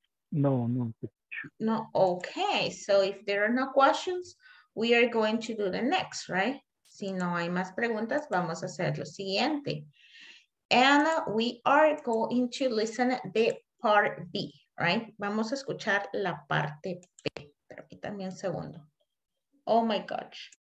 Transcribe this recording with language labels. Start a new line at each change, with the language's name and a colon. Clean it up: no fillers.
English: No, okay, so if there are no questions, we are going to do the next, right?
Spanish: Si no hay más preguntas, vamos a hacer lo siguiente.
English: And we are going to listen the part B, right?
Spanish: Vamos a escuchar la parte B. Permítanme un segundo.
English: Oh my gosh.